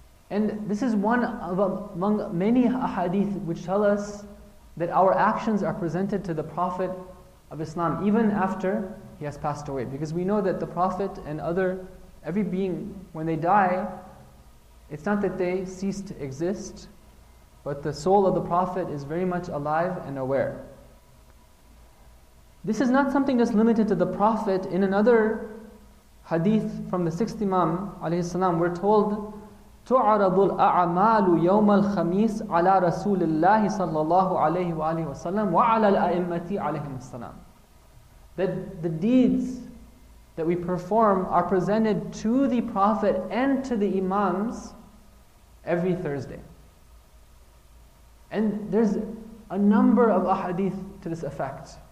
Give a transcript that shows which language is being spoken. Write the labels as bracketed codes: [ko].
[en] And this is one of among many ahadith which tell us that our actions are presented to the prophet of Islam even after he has passed away. Because we know that the Prophet and every being, when they die, it's not that they cease to exist, but the soul of the Prophet is very much alive and aware. This is not something that's limited to the Prophet. In another hadith from the sixth Imam alayhi salam, we're told [ar] تُعَرَضُ الْأَعْمَالُ يَوْمَ الْخَمِيسِ عَلَىٰ رَسُولِ اللَّهِ صَلَّى اللَّهُ عَلَيْهِ وَآلِهِ وَسَلَّمَ وَعَلَىٰ الْأَئِمَّةِ عَلَيْهِمُ السَّلَامُ. [en] That the deeds that we perform are presented to the Prophet and to the Imams every Thursday. And there's a number of ahadith to this effect.